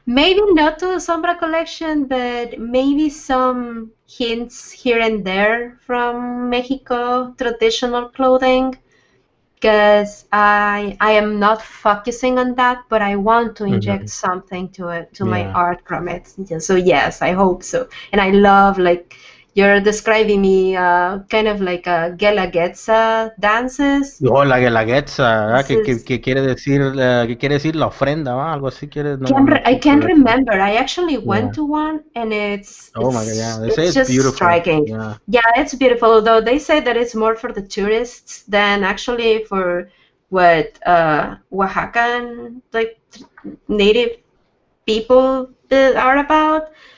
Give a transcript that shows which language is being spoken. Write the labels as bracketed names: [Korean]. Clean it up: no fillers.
[English] Maybe not to the Sombra collection, but maybe some hints here and there from Mexico traditional clothing, because I am not focusing on that, but I want to inject something to my art from it. So yes, I hope so. And I love, like, you're describing me kind of like a Guelaguetza dances. [Spanish] Oh, la Guelaguetza, ¿verdad? Que quiere decir la ofrenda, ¿va? Algo así quiere... [English] No, I can't remember. I actually went to one, and it's just striking. Yeah, it's beautiful, although they say that it's more for the tourists than actually for what Oaxacan, like, native people are about.